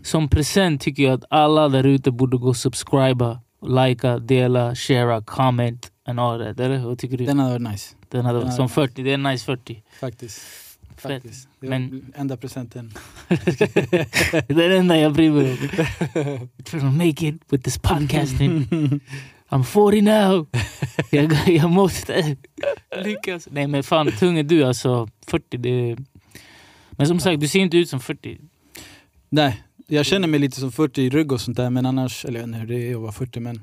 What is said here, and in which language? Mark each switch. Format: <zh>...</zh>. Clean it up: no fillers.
<sv>Som present tycker jag att alla där ute borde gå subscriba, likea, dela,</sv> <en>share, comment and all that.</en> <sv>Eller vad tycker du? Den hade varit nice. Den hade varit som 40, nice. Det är nice 40. Faktiskt. Men enda presenten. Det är den enda jag bryr mig om.</sv> <en>Trying to make it with this podcasting. I'm 40 now.</en> <sv>Jag måste lyckas. Nej, men fan, tung är du alltså. 40, det är... Men som sagt, du ser inte ut som 40. Nej, jag känner mig lite som 40 i rygg och sånt där, men annars, eller nej, det är jag var 40, men...</sv>